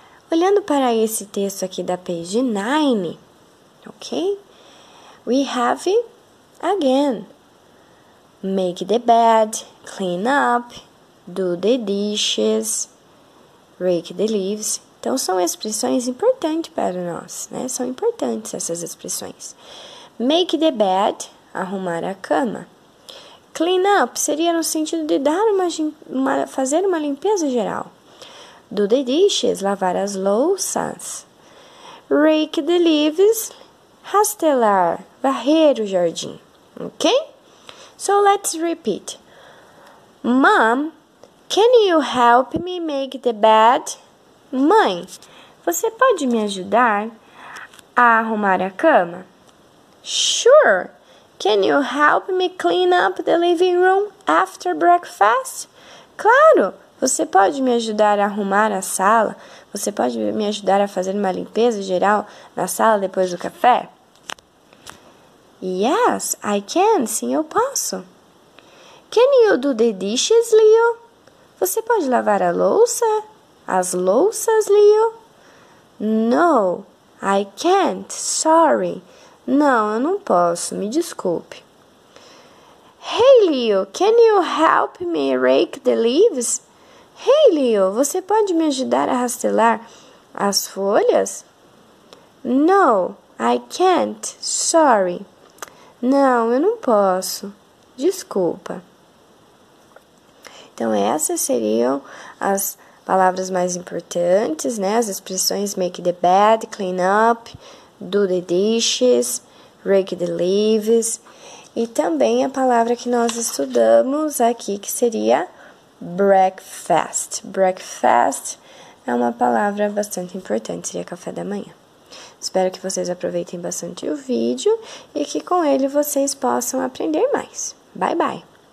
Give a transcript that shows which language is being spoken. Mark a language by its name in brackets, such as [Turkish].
[Portuguese] Olhando para esse texto aqui da [English] page 9, [Portuguese] ok? [English] We have it again. Make the bed, clean up, do the dishes, rake the leaves. [Portuguese] Então, são expressões importantes para nós, né? São importantes essas expressões. [English] Make the bed, [Portuguese] arrumar a cama. [English] Clean up [Portuguese] seria no sentido de dar fazer uma limpeza geral. [English] Do the dishes, [Portuguese] lavar as louças. [English] Rake the leaves, [Portuguese] rastelar, varrer o jardim. Ok? [English] So, let's repeat. Mom, can you help me make the bed? [Portuguese] Mãe, você pode me ajudar a arrumar a cama? [English] Sure. Can you help me clean up the living room after breakfast? [Portuguese] Claro, você pode me ajudar a arrumar a sala? Você pode me ajudar a fazer uma limpeza geral na sala depois do café? [English] Yes, I can. [Portuguese] Sim, eu posso. [English] Can you do the dishes, Leo? [Portuguese] Você pode lavar a louça? As louças, Leo? [English] No, I can't. Sorry. [Portuguese] Não, eu não posso. Me desculpe. [English] Hey, Leo, can you help me rake the leaves? [Portuguese] Hey, Leo, você pode me ajudar a rastelar as folhas? [English] No, I can't. Sorry. [Portuguese] Não, eu não posso. Desculpa. Então, essas seriam as palavras mais importantes, né? As expressões [English] make the bed, clean up, do the dishes, rake the leaves. [Portuguese] E também a palavra que nós estudamos aqui, que seria breakfast. Breakfast é uma palavra bastante importante, seria café da manhã. Espero que vocês aproveitem bastante o vídeo e que com ele vocês possam aprender mais. [English] Bye, bye!